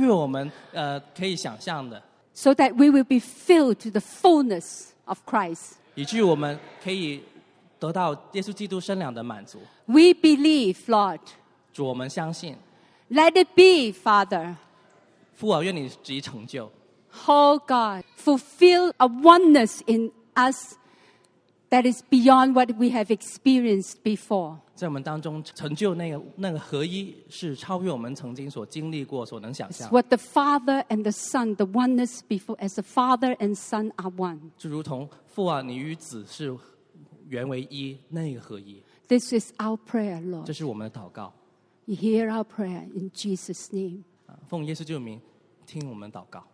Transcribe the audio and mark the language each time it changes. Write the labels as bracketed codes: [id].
[zh] 甚至能去知道这个爱是超越我们可以想象的。 [en] So that we will be filled to the fullness of Christ. We believe, Lord. [zh] 主我们相信, [en] let it be, Father. [zh] 父啊，愿你旨意成就。 [en] Oh God, fulfill a oneness in us that is beyond what we have experienced before. [zh] 在我们当中成就那个合一是超越我们曾经所经历过所能想象。 [en] It's what the Father and the Son, the oneness before, as the Father and Son are one. [zh] 就如同父啊，你与子是原为一，那个合一。 [en] This is our prayer, Lord. [zh] 这是我们的祷告。 [en] You hear our prayer in Jesus' name. [zh] 奉耶稣救名，听我们祷告。